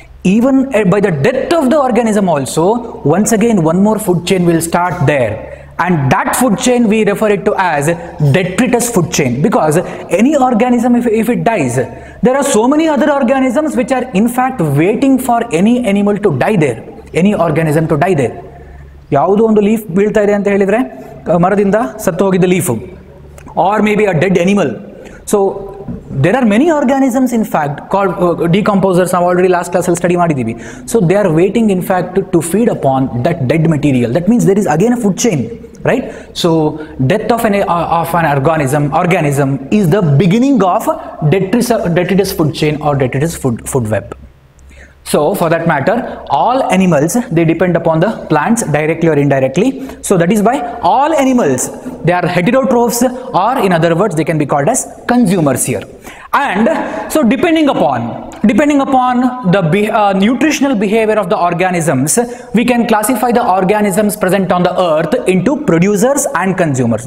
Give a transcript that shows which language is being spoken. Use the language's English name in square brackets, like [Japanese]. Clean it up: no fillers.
[English] Even by the death of the organism also, once again one more food chain will start there, and that food chain we refer it to as detritus food chain, because any organism if it dies, there are so many other organisms which are in fact waiting for any animal to die there, any organism to die there. [Kannada] ಯಾವುದು ಒಂದು leaf ಬೀಳ್ತಾ ಇದೆ ಅಂತ ಹೇಳಿದರೆ ಮರದಿಂದ ಸತ್ತು ಹೋಗಿದ್ದ leaf [English] or maybe a dead animal so there are many organisms in fact called decomposers [Kannada] ನಾವು ಆಲ್ರೆಡಿ ಲಾಸ್ಟ್ ಕ್ಲಾಸಲ್ಲಿ ಸ್ಟಡಿ ಮಾಡಿದ್ದೀವಿ [English] So they are waiting in fact to feed upon that dead material that means there is again a food chain right so death of an organism is the beginning of detritus food chain or detritus food web So, for that matter, all animals, they depend upon the plants directly or indirectly. So, that is why all animals, they are heterotrophs, or in other words, they can be called as consumers here. And so, depending upon the nutritional behavior of the organisms, we can classify the organisms present on the earth into producers and consumers.